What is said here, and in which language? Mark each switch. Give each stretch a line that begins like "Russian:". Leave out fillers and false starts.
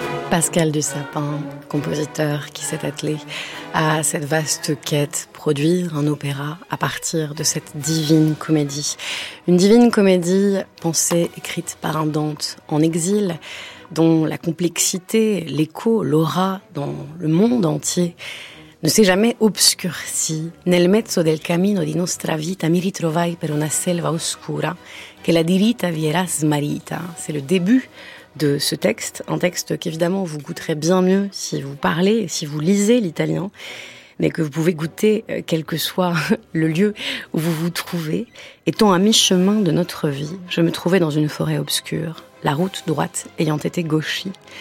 French: Pascal du Sapin, compositeur qui s'est attelé à cette vaste quête, produire un opéra à partir de cette divine comédie. Une divine comédie pensée, écrite par un Dante en exil, dont la complexité, l'écho, l'aura dans le monde entier ne s'est jamais obscurci.
Italian: Nel mezzo del cammino di nostra vita mi ritrovai per una selva oscura che la dirita vi era smarita.
French: C'est le début de ce texte, un texte qu'évidemment vous goûterez bien mieux si vous parlez, si vous lisez l'italien, mais que vous pouvez goûter quel que soit le lieu où vous vous trouvez. Étant à mi-chemin de notre vie, je me trouvais dans une forêt obscure, la route droite ayant été gauchie.